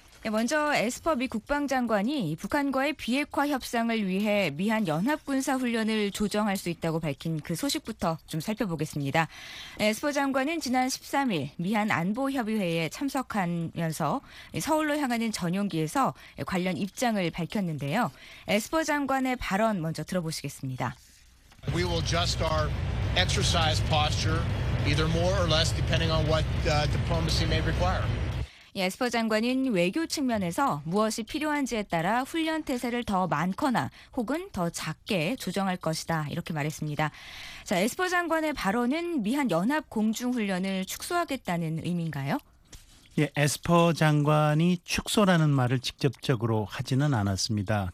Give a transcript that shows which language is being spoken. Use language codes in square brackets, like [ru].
[ko] 먼저 에스퍼 미 국방장관이 북한과의 비핵화 협상을 위해 미한 연합군사훈련을 조정할 수 있다고 밝힌 그 소식부터 좀 살펴보겠습니다. 에스퍼 장관은 지난 13일 미한 안보협의회에 참석하면서 서울로 향하는 전용기에서 관련 입장을 밝혔는데요. 에스퍼 장관의 발언 먼저 들어보시겠습니다. [en] We will adjust our exercise posture either more or less depending on what diplomacy may require. [ko] 에스퍼 장관은 외교 측면에서 무엇이 필요한지에 따라 훈련 태세를 더 많거나 혹은 더 작게 조정할 것이다 이렇게 말했습니다. 자, 에스퍼 장관의 발언은 미한 연합 공중 훈련을 축소하겠다는 의미인가요? 예, 에스퍼 장관이 축소라는 말을 직접적으로 하지는 않았습니다.